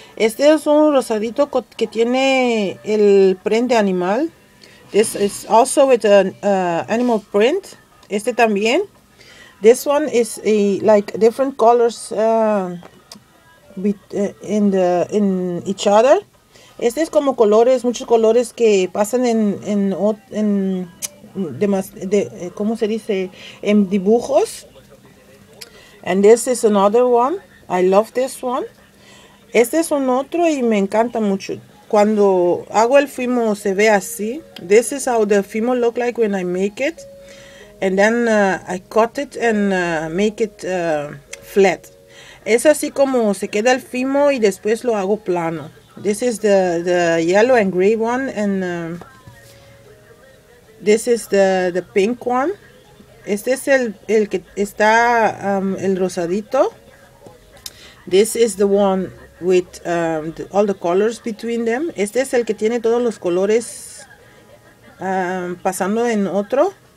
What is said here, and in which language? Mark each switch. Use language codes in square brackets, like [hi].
[es] Este es un rosadito que tiene el print de animal. [en] This is also with an animal print. [es] Este también. [en] This one is a like different colors in each other. [es] Este es como colores, muchos colores que pasan en demás de cómo se dice en dibujos. [en] And this is another one. I love this one. [es] Este es un otro y me encanta mucho. Cuando hago el Fimo se ve así. [en] This is how the Fimo look like when I make it. And then I cut it and make it flat. [es] Es así como se queda el Fimo y después lo hago plano. [en] This is the yellow and gray one. And this is the pink one. [es] Este es el que está el rosadito. [en] This is the one with all the colors between them. [es] Este es el que tiene todos los colores pasando en otro.